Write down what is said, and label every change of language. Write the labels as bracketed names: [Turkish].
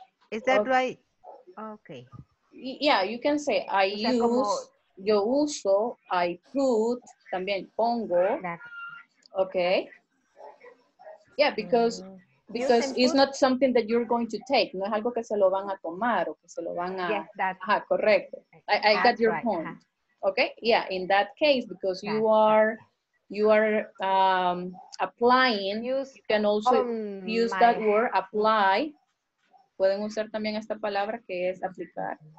[English] Is that okay. right? Okay. Yeah, you can say I [Spanish] o sea, [English] use, [Spanish] como, yo uso, [English] I put, [Spanish] también pongo. [English] That. Okay. Yeah, because because it's not something that you're going to take. [Spanish] No es algo que se lo van a tomar o que se lo van a... [English] Yes, that's... [Spanish] Ajá, correcto. [English] I got your right. point. Uh-huh. Okay? Yeah, in that case, because that's you are applying, you can also use that word, apply. [Spanish] Pueden usar también esta palabra que es aplicar.